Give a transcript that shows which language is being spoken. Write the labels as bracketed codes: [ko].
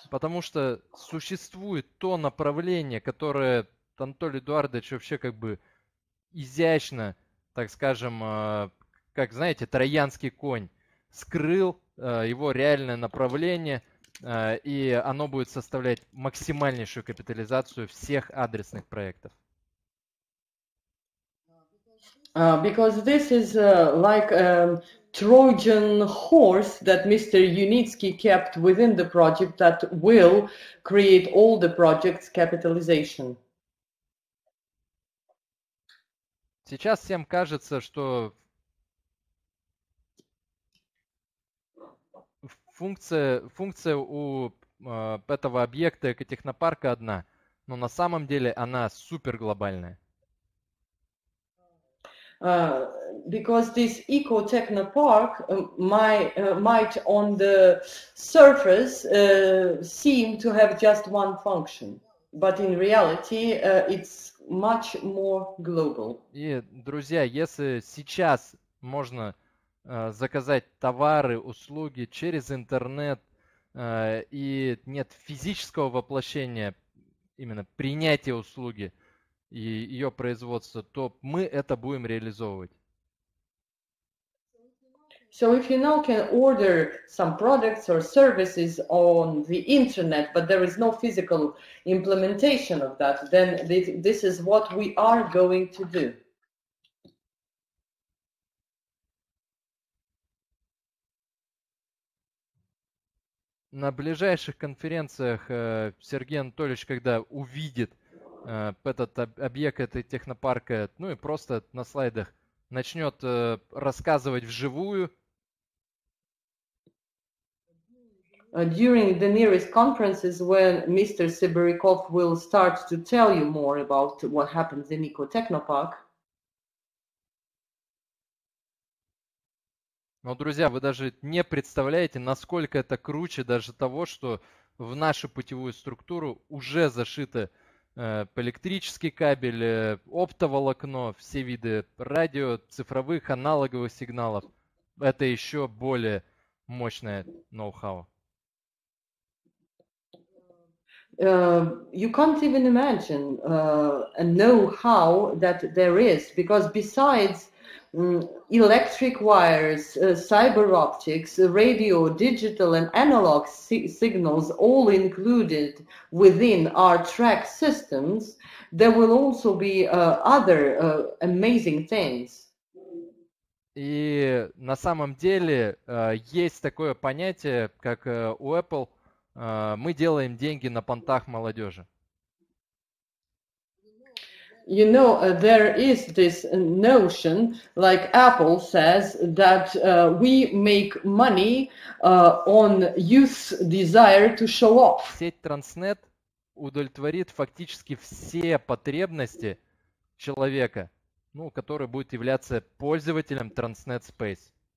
[ru] Потому что существует то направление, которое Анатолий Эдуардович вообще как бы изящно, так скажем, как знаете, троянский конь, скрыл его реальное направление, и оно будет составлять максимальнейшую капитализацию всех адресных проектов. [en] Because this is like a Trojan horse that Mr. Yunitsky kept within the project that will create all the project's capitalization. [ru] Сейчас всем кажется, что функция у этого объекта экотехнопарка одна, но на самом деле она супер глобальная. [en] Because this eco-technopark might on the surface seem to have just one function, but in reality it's much more global. [ru] И, друзья, если сейчас можно заказать товары, услуги через интернет и нет физического воплощения именно принятия услуги и ее производства, то мы это будем реализовывать. [en] So if you now can order some products or services on the internet, but there is no physical implementation of that, then this is what we are going to do. [ru] На ближайших конференциях Сергей Анатольевич, когда увидит этот объект этой технопарка, ну и просто на слайдах, начнет рассказывать вживую. [en] During the nearest conferences, when Mr. Sibirikov will start to tell you more about what happens in Eco-Technopark. [ru] Но, друзья, вы даже не представляете, насколько это круче даже того, что в нашу путевую структуру уже зашиты электрический кабель, оптоволокно, все виды радио, цифровых, аналоговых сигналов. Это еще более мощное ноу-хау. [en] You can't even imagine a know-how that there is, because besides electric wires, cyber optics, radio, digital and analog signals, all included within our track systems, there will also be other amazing things. [ru] И на самом деле есть такое понятие, как у Apple, мы делаем деньги на понтах молодежи. [en] You know, there is this notion, like Apple says, that we make money on youth's desire to show off. [ru] Сеть Transnet удовлетворит фактически все потребности человека, ну, который будет являться пользователем Transnet Space.